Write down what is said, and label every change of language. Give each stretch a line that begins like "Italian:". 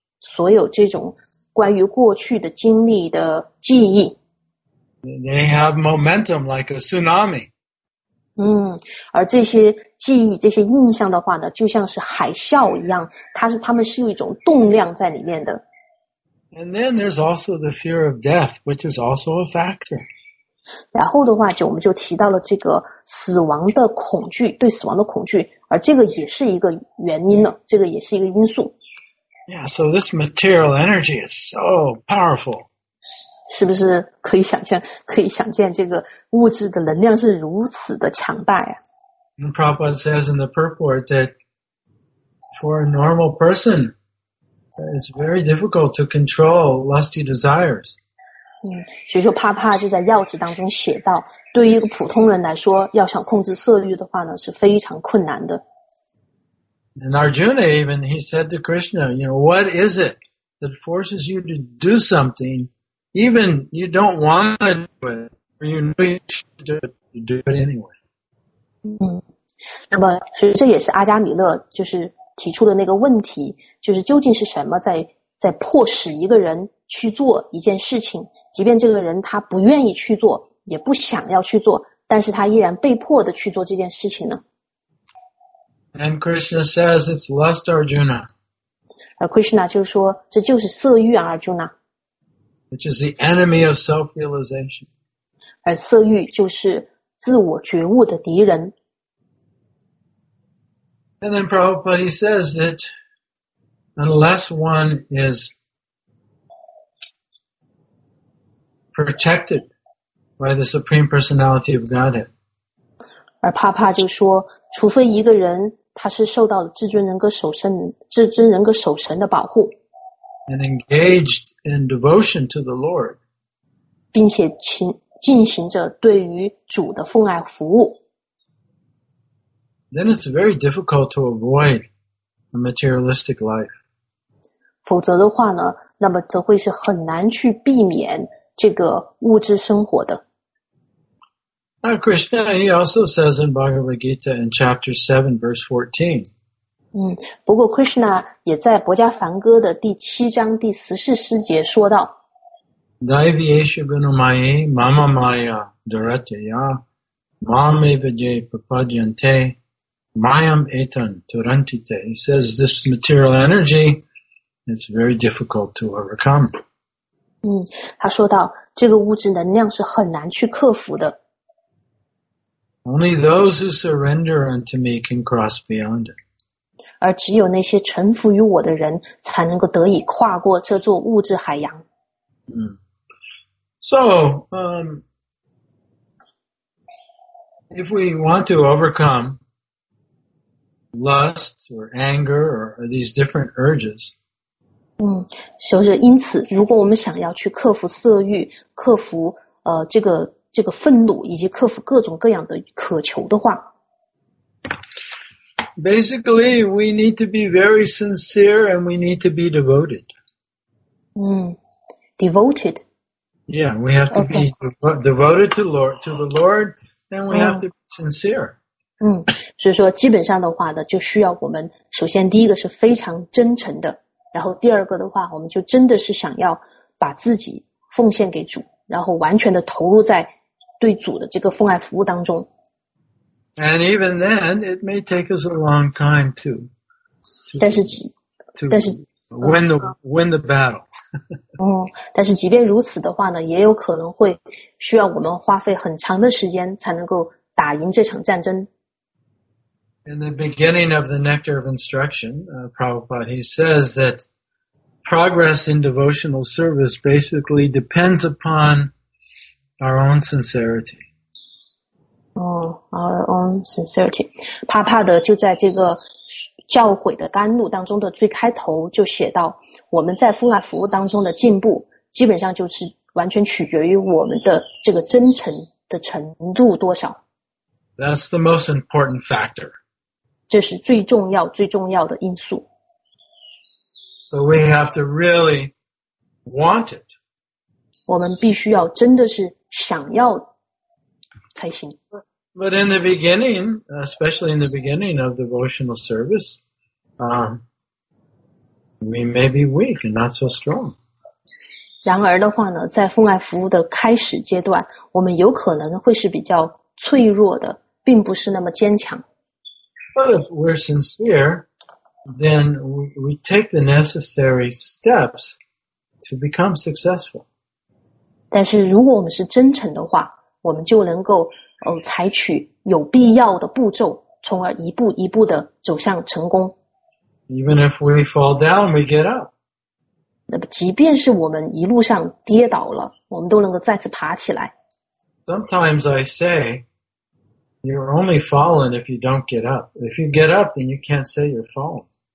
Chinese: 所有这种关于过去的经历的记忆。
English: They have momentum like a tsunami.
Chinese: 而这些记忆，这些印象的话呢，就像是海啸一样，它们是有一种动量在里面的。
English: And then there's also the fear of death, which is also a factor.
Chinese: 然后的话就我们就提到了这个死亡的恐惧，对死亡的恐惧，而这个也是一个原因了，这个也是一个因素。
English: Yeah, so this material energy is so powerful.
Chinese: 是不是可以想象，可以想见这个物质的能量是如此的强大呀？
English: And Prabhupada says in the purport that for a normal person,It's very difficult to control lusty desires.
Chinese: 所以说帕帕就在要旨当中写到，对于一个普通人来说，要想控制色欲的话呢，是非常困难的。
English: And Arjuna even, he said to Krishna, you know, what is it that forces you to do something, even you don't want to do it, or you know you should do it anyway?
Chinese: 那么其实这也是阿加米勒就是提出的那个问题，就是究竟是什么在迫使一个人去做一件事情，即便这个人他不愿意去做，也不想要去做，但是他依然被迫的去做这件事情呢？
English: And Krishna says it's lust, Arjuna.
Chinese: Krishna 就说这就是色欲啊， Arjuna.
English: Which is the enemy of self-realization.
Chinese: 而色欲就是自我觉悟的敌人。
English: And then Prabhupada he says that unless one is protected by the Supreme Personality of Godhead.
Chinese: 而帕帕就说，除非一个人他是受到了至尊人格守神的保护。
English: And engaged in devotion to the Lord.
Chinese: 并且进行着对于主的奉爱服务。
English: Then it's very difficult to avoid a materialistic life.
Chinese: 否则的话呢，那么则会是很难去避免这个物质生活的。
English: Now, Krishna, he also says in Bhagavad Gita in chapter 7, verse 14.
Chinese: 不过 Krishna 也在《薄伽梵歌》的第七章第十四诗节说道
Sanskrit: Daivyesha gunamaye mamamaya duratyaya mamevaje papajyante mayam etan turantite.
English: He says this material energy, it's very difficult to overcome.
Chinese: 他说到这个物质能量是很难去克服的。
English: Only those who surrender unto me can cross beyond it.
Chinese: 而只有那些臣服于我的人才能够得以跨过这座物质海洋。
English: So, if we want to overcome lust or anger or these different urges,
Chinese: 所以因此如果我们想要去克服色欲克服这个愤怒以及克服各种各样的渴求的话
English: Basically, we need to be very sincere and we need to be devoted. Devoted. Yeah, we have to be devoted to the Lord and we have to be sincere.
Chinese: 所以说基本上的话呢就需要我们首先第一个是非常真诚的然后第二个的话我们就真的是想要把自己奉献给主然后完全的投入在对主的这个奉爱服务当中。
English: And even then, it may take us a long time to.
Chinese: 但是
English: win the battle.
Chinese: 但是即便如此的话呢，也有可能会需要我们花费很长的时间才能够打赢这场战争。
English: In the beginning of the Nectar of Instruction, Prabhupada he says that progress in devotional service basically depends upon. Our own sincerity. Our own sincerity.
Chinese: 帕帕的就在这个教诲的甘露当中的最开头就写到，我们在奉爱服务当中的进步，基本上就是完全取决于我们的这个真诚的程度多少。
English: That's the most important factor.
Chinese: 这是最重要最重要的因素。
English: But we have to really want it.
Chinese: 我们必须要真的是想要才行。
English: But in the beginning, especially in the beginning of devotional service, we may be weak and not so strong.
Chinese: 然而的话呢，在奉爱服务的开始阶段，我们有可能会是比较脆弱的，并不是那么坚强。
English: But if we're sincere, then we take the necessary steps to become successful.
Chinese: 但是如果我们是真诚的话我们就能够采取有必要的步骤从而一步一步的走向成功。
English: Even if we fall down, we get up.
Chinese: 那么即便是我们一路上跌倒了我们都能够再次爬起来。
English: Sometimes I say, you're only fallen if you don't get up. If you get up, then you can't say you're fallen.